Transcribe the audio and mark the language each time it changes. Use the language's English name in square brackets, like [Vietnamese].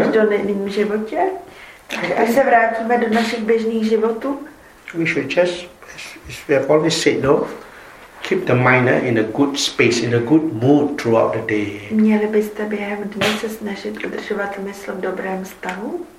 [Czech] do nejvím životě, když se vrátíme do našich běžných životů. [English] We should just, as we have always said, keep the mind in a good space, in a good mood throughout the day. [Czech] Měli byste během dne se snažit udržovat mysl v dobrém stavu.